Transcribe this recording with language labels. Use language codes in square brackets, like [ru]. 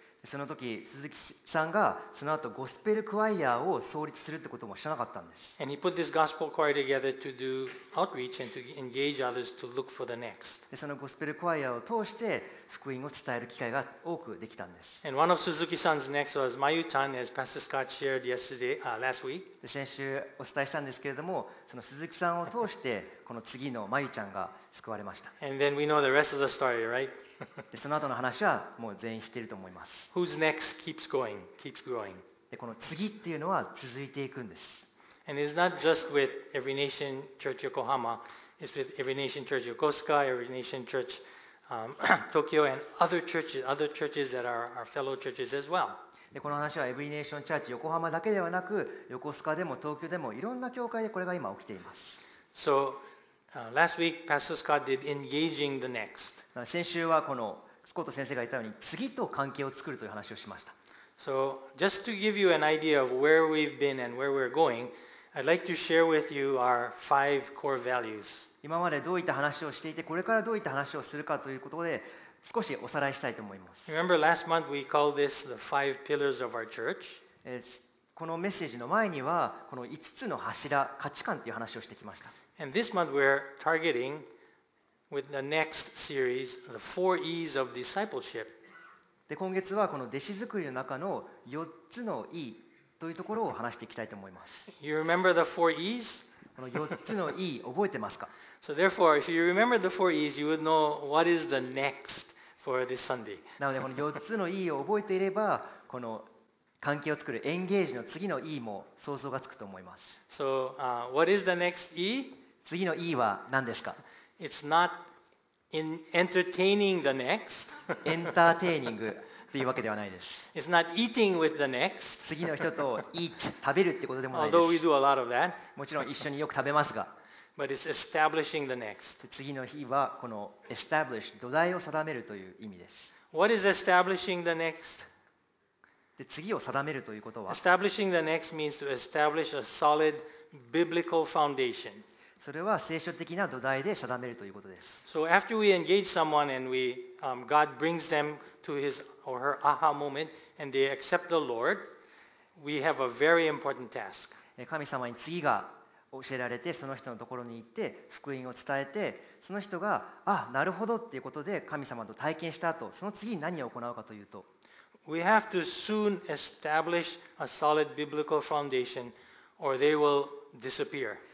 [ja] その時、鈴木さんがその後ゴスペルクワイアを創立するってことも知らなかったんです。 [en] And he put this gospel choir together to do outreach and to engage others to look for the next. [ja] そのゴスペルクワイアを通して福音を伝える機会が多くできたんです。 [en] And one of Suzuki-san's next was Mayu-chan, as Pastor Scott shared last week. [ja] 先週お伝えしたんですけれども、その鈴木さんを通してこの次のマユちゃんが救われました。 [en] And then we know the rest of the story, right? [ja] でその後の話はもう全員知っていると思います。 [en] Who's next keeps going, keeps growing. [ja] でこの次っていうのは続いていくんです。 [en] And it's not just with Every Nation Church Yokohama, it's with Every Nation Church Yokosuka, Every Nation Church Tokyo, and other churches that are our fellow churches as well. [ja] でこの話はエブリネーションチャーチ横浜だけではなく、横須賀でも東京でもいろんな教会でこれが今起きています。 [en] So, last week, Pastor Scott did engaging the next. [ja] 先週はこのスコット先生が言ったように、次と関係を作るという話をしました。 [en] So, just to give you an idea of where we've been and where we're going, I'd like to share with you our five core values. [ja] 今までどういった話をしていて、これからどういった話をするかということで、少しおさらいしたいと思います。 [en] Remember, last month we called this the five pillars of our church. [ja] このメッセージの前には、この5つの柱、価値観という話をしてきました。 [en] And this month we're targeting with the next series, the four E's of discipleship. [ja] で、今月はこの弟子作りの中の4つの E というところを話していきたいと思います。 [en] You remember the four E's? [ja] この4つの E 覚えてますか？ [en] So therefore, if you remember the four E's, you would know what is the next for this Sunday. [ja] なので、この4つの E を覚えていれば、この関係を作るエンゲージの次の E も想像がつくと思います。 [en] So, what is the next E? [ja] 次の E は何ですか？ [en] It's not in entertaining the next. [ja] エンターテイニングというわけではないです。 [en] It's not eating with the next. [ja] 次の人と eat、食べるってことでもないです。 [en] Although we do a lot of that. [ja] もちろん一緒によく食べますが、 [en] But it's establishing the next. [ja] 次の日はこの establish 土台を定めるという意味です。 [en] What is establishing the next? [ja] で次を定めるということは、 [en] establishing the next means to establish a solid biblical foundation. [ja] それは聖書的な土台で定めるということです。 [en] So after we engage someone and we God brings them to his or her aha moment and they accept the Lord, we have a very important task. [ja] 神様に次が教えられて、その人のところに行って福音を伝えて、その人が、あ、なるほどっていうことで神様と体験した後、その次に何を行うかというと、 [en] We have to soon establish a solid biblical foundation or they will disappear.